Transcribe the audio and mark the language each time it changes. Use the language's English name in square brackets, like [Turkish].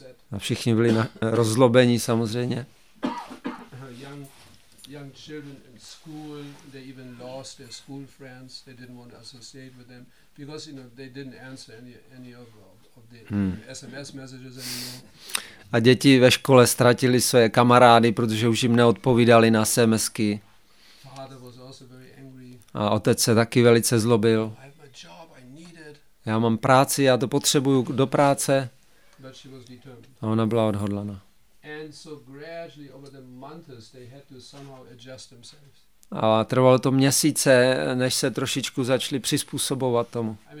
[Czech] A všichni byli na rozlobení samozřejmě. [English] Young children in school, they even lost their school friends. They didn't want to associate with them because, you know, they didn't answer any of the SMS messages anymore. [Czech] A děti ve škole ztratili své kamarády, protože už jim neodpovídali na SMSky. [English] Father was also very angry. [Czech] A otec se taky velice zlobil. [English] I have a job, I need it. [Czech] Já mám práci, já to potřebuju do práce. [English] But she was determined. [Czech] A ona byla odhodlana. [English] And so gradually over the months they had to somehow adjust themselves. [Czech] A trvalo to měsíce, než se trošičku začali přizpůsobovat tomu.